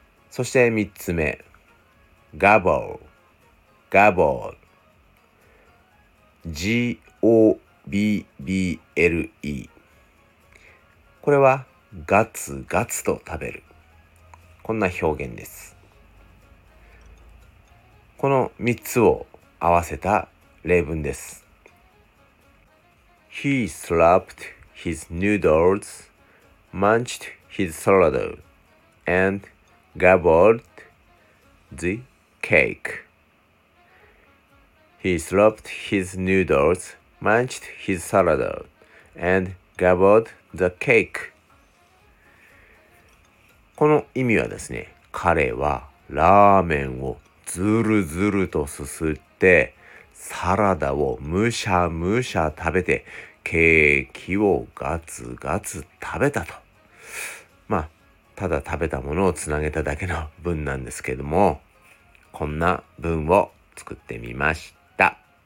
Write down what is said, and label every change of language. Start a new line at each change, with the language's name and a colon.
Japanese: そして三つ目、ガボー、G-O-B-B-L-E。これはガツガツと食べる。こんな表現です。この3つを合わせた例文です。
English: He slapped his noodles, munched his salad, and gobbled the cake. He slapped his noodles, munched his salad, and gobbled the cake.
Japanese: この意味はですね、彼はラーメンをずるずるとすすって、サラダをむしゃむしゃ食べて、ケーキをガツガツ食べたと。まあ、ただ食べたものをつなげただけの文なんですけども、こんな文を作ってみました。